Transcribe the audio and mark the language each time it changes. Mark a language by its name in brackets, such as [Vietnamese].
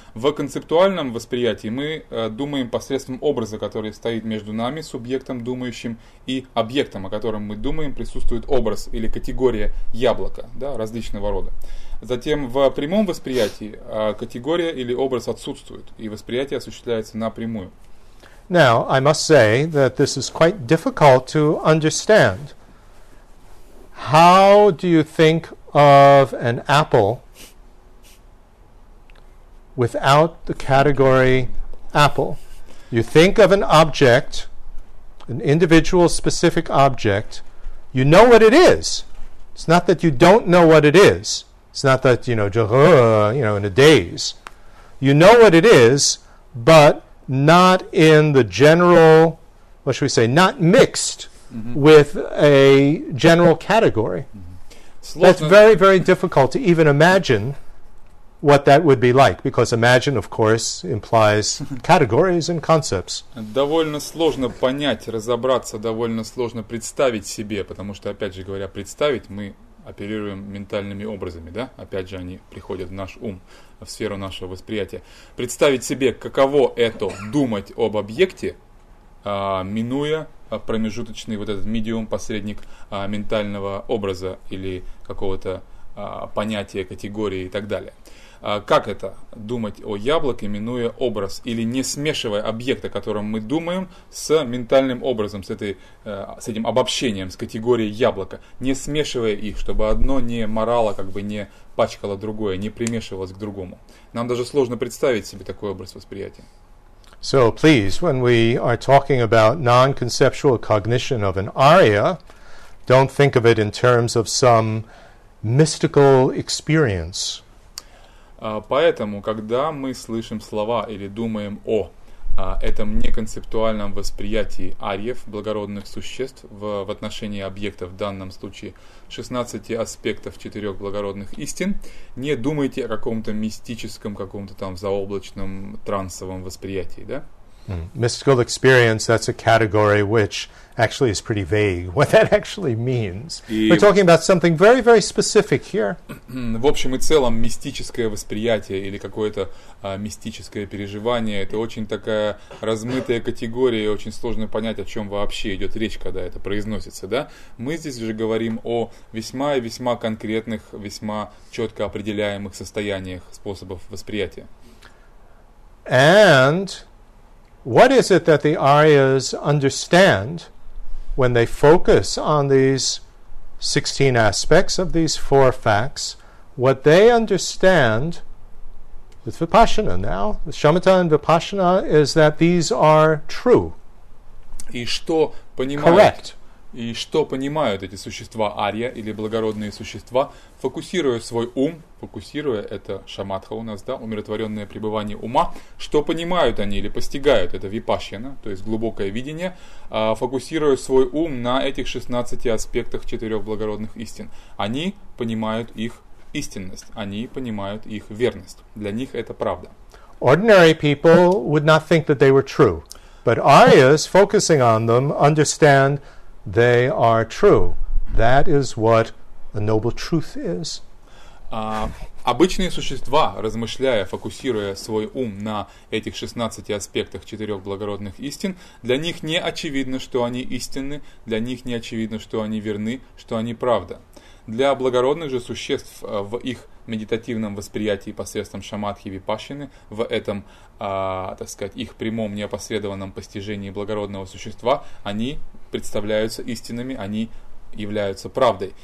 [Russian] В концептуальном восприятии мы думаем посредством образа, который стоит между нами, субъектом думающим, и объектом, о котором мы думаем, присутствует образ или категория яблока, да, различного рода. Затем в прямом восприятии категория или образ отсутствует, и восприятие осуществляется напрямую. [English] Now, I must say that this is quite difficult to understand. How do you think of an apple without the category apple? You think of an object, an individual specific object. You know what it is. It's not that you don't know what it is. It's not that, you know, in a daze. You know what it is, but not in the general, what should we say, not mixed with a general category. That's very, very difficult to even imagine what that would be like, because imagine, of course, implies categories and concepts. [Russian] Довольно сложно понять, разобраться, довольно сложно представить себе, потому что, опять же говоря, представить мы оперируем ментальными образами, да? Опять же, они приходят в наш ум, в сферу нашего восприятия. Представить себе, каково это думать об объекте, минуя промежуточный вот этот медиум, посредник ментального образа или какого-то понятия, категории и так далее. Как это думать о яблоке, минуя образ или не смешивая объект, о котором мы думаем, с ментальным образом, с этим обобщением, с категорией яблока, не смешивая их, чтобы одно не морало, как бы не пачкало другое, не примешивалось к другому. Нам даже сложно представить себе такой образ восприятия. [English] So please, when we are talking about non-conceptual cognition of an aria, don't think of it in terms of some mystical experience. [Russian] Поэтому, когда мы слышим слова или думаем о этом неконцептуальном восприятии ариев, благородных существ, в отношении объекта, в данном случае 16 аспектов 4 благородных истин, не думайте о каком-то мистическом, каком-то там заоблачном трансовом восприятии, да? [English] Mystical experience, that's a category which actually is pretty vague, what that actually means. We're talking about something very, very specific here. [Russian] В общем и целом, мистическое восприятие или какое-то мистическое переживание – это очень такая размытая категория, и очень сложно понять, о чем вообще идет речь, когда это произносится, да? Мы здесь же говорим о весьма и весьма конкретных, весьма четко определяемых состояниях, способов восприятия. [English] And what is it that the Aryas understand when they focus on these 16 aspects of these four facts? What they understand with Vipassana now, with Shamatha and Vipassana, is that these are true. [Russian] И что понимают, [English] correct. [Russian] И что понимают эти существа Арья или благородные существа, фокусируя свой ум, фокусируя это шаматха у нас, да, умиротворенное пребывание ума, что понимают они или постигают, это випашьяна, то есть глубокое видение, фокусируя свой ум на этих 16 аспектах 4 благородных истин. Они понимают их истинность, они понимают их верность. Для них это правда. [English] Ordinary people would not think that they were true. But Aryas, focusing on them, understand they are true. That is what a noble truth is. [Russian] Обычные существа, размышляя, фокусируя свой ум на этих 16 аспектах 4 благородных истин, для них не очевидно, что они истинны, для них не очевидно, что они верны, что они правда. Для благородных же существ в их медитативном восприятии посредством шамадхи и випассаны, в этом, так сказать, их прямом неопосредованном постижении благородного существа, они представляются истинными, они являются правдой.